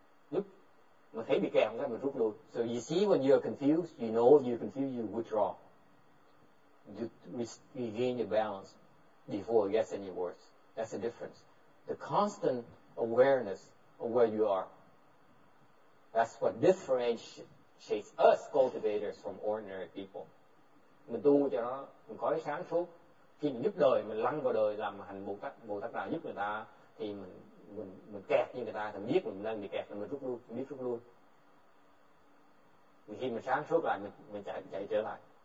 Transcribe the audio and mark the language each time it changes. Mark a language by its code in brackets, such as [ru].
[vi] Giúp, mình thấy bị kẹo, mình rút lui. [en] So you see when you're confused, you know you're confused, you withdraw. You regain your balance before it gets any worse. That's the difference. The constant awareness of where you are. That's what differentiates us cultivators from ordinary people. [vi] Mình tu cho nó, mình có cái sáng suốt. Khi mình giúp đời, mình lăn vào đời, làm hành Bồ Tát nào giúp người ta, thì mình kẹt như người ta, thì mình biết mình đang bị kẹt, mình rút luôn, mình biết rút luôn. Khi mình sáng suốt lại, mình chạy trở lại.